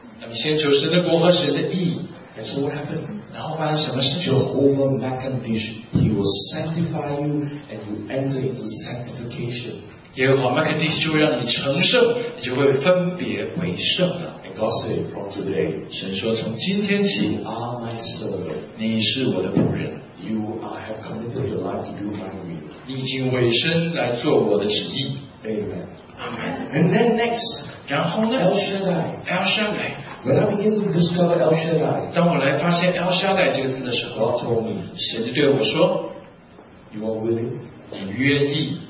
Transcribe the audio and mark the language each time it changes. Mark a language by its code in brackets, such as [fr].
[zh] 那么先求神的国和神的义。 [en] And so what happened? [zh] 然后发生什么事 [en] ？Jehovah Makadosh, He will sanctify you, and you enter into sanctification. [zh] 耶和华 Makadosh 就让你成圣，你就会分别为圣了。 [en] And God said, from today, [zh] 神说从今天起 [en] ，You are my servant. [zh] 你是我的仆人。 [en] You have committed your life to do my will. [zh] 你已经委身来做我的旨意。 [en] Amen. Amen. And then next. [zh] 然后呢 [en] ？El Shaddai. El Shaddai. When I begin to discover El Shaddai， [zh] 当我来发现 El Shaddai 这个字的时候 [en] ，God told me， [zh] 神就对我说 [en] ，You are willing， [zh] 你愿意